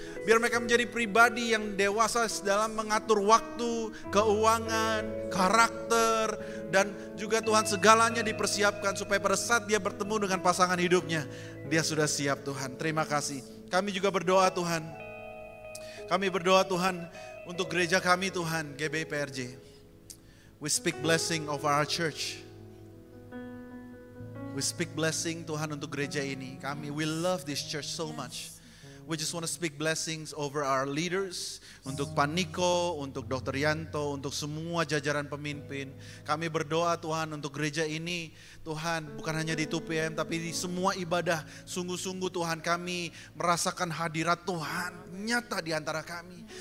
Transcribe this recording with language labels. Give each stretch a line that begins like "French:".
Indonesian: Biar mereka menjadi pribadi yang dewasa dalam mengatur waktu, keuangan, karakter. Dan juga Tuhan segalanya dipersiapkan supaya pada saat dia bertemu dengan pasangan hidupnya, dia sudah siap Tuhan. Terima kasih. Kami juga berdoa Tuhan. Kami berdoa Tuhan untuk gereja kami Tuhan, GBI PRJ.
English: We speak blessing over our church. We speak blessing
Indonesian: Tuhan untuk gereja ini. Kami,
English: we love this church so much. We just want to speak blessings over our leaders,
Indonesian: untuk
English: Pak Niko, untuk Dr.
Indonesian: Yanto, untuk semua jajaran pemimpin. Kami berdoa Tuhan untuk gereja ini, Tuhan, bukan hanya di 2PM, tapi di semua ibadah, sungguh-sungguh Tuhan kami merasakan hadirat Tuhan nyata di antara kami.